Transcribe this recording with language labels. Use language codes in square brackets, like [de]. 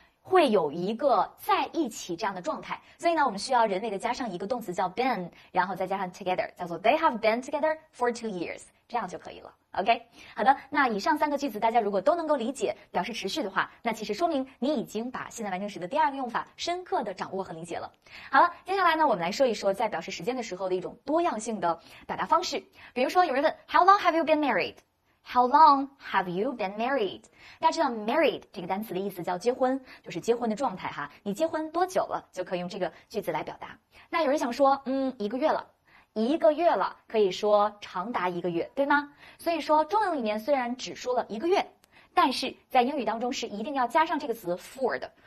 [zh] 会有一个在一起这样的状态，所以呢我们需要人为的加上一个动词叫 been， 然后再加上 together， 叫做 [en] they have been together for 2 years， [zh] 这样就可以了。 OK， 好的，那以上三个句子大家如果都能够理解表示持续的话，那其实说明你已经把现在完成时的第二个用法深刻的掌握和理解了。好了，接下来呢我们来说一说在表示时间的时候的一种多样性的表达方式。比如说有人问 [en] How long have you been marriedHow long have you been married? [zh] 大家知道 married 这个单词的意思叫结婚，就是结婚的状态哈。你结婚多久了，就可以用这个句子来表达。那有人想说，一个月了可以说长达一个月，对吗？所以说中文里面虽然只说了一个月，但是在英语当中是一定要加上这个词 for 的。